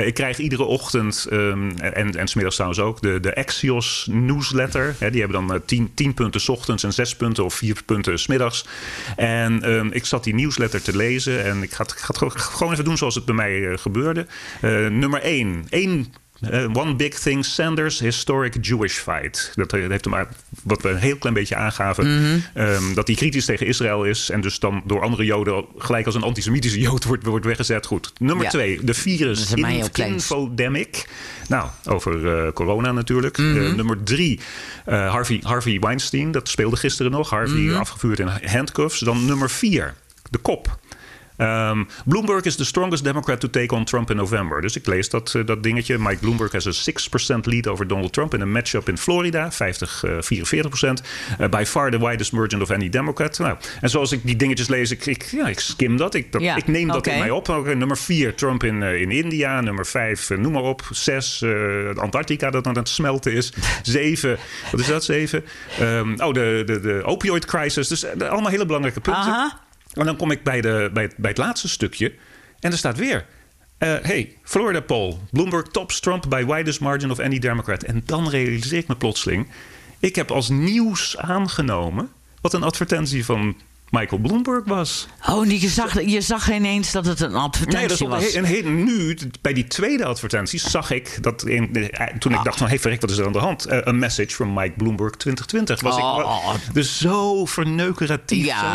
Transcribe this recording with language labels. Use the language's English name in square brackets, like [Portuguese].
[Dutch] Ik krijg iedere ochtend en 's middags trouwens ook de Axios newsletter. Die hebben dan 10 punten 's ochtends en 6 punten of 4 punten 's middags. En ik zat die newsletter te lezen en ik ga het gewoon even doen zoals het bij mij gebeurde. Nummer 1. [English] One big thing, Sanders' historic Jewish fight. [Dutch] Dat heeft hem, wat we een heel klein beetje aangaven, dat hij kritisch tegen Israël is en dus dan door andere Joden gelijk als een antisemitische Jood wordt weggezet. Goed. Nummer 2, de virus infodemic. Nou, over corona natuurlijk. Mm-hmm. Nummer 3, Harvey Weinstein. Dat speelde gisteren nog. Harvey afgevuurd [English] in handcuffs. [Dutch] Dan nummer 4, de kop. [English] Bloomberg is the strongest Democrat to take on Trump in November. [Dutch] Dus ik lees dat dingetje. [English] Mike Bloomberg has a 6% lead over Donald Trump in a matchup in Florida. 44%. By far the widest margin of any Democrat. [Dutch] Nou, en zoals ik die dingetjes lees, ik skim dat. Ik neem dat in mij op. Okay, nummer 4, Trump in India. Nummer 5, noem maar op. 6, Antarctica dat aan het smelten is. 7, wat is dat? 7? De opioid crisis. Dus allemaal hele belangrijke punten. Aha. En dan kom ik bij het laatste stukje. En er staat weer. Florida poll. [English] Bloomberg tops Trump by widest margin of any Democrat. [Dutch] En dan realiseer ik me plotseling. Ik heb als nieuws aangenomen wat een advertentie van Michael Bloomberg was. Oh, je zag ineens dat het een advertentie was. Nu, bij die tweede advertentie, zag ik dat toen ik dacht van, hey, verrek, wat is er aan de hand? Een message van Mike Bloomberg 2020. Dus zo verneukeratief.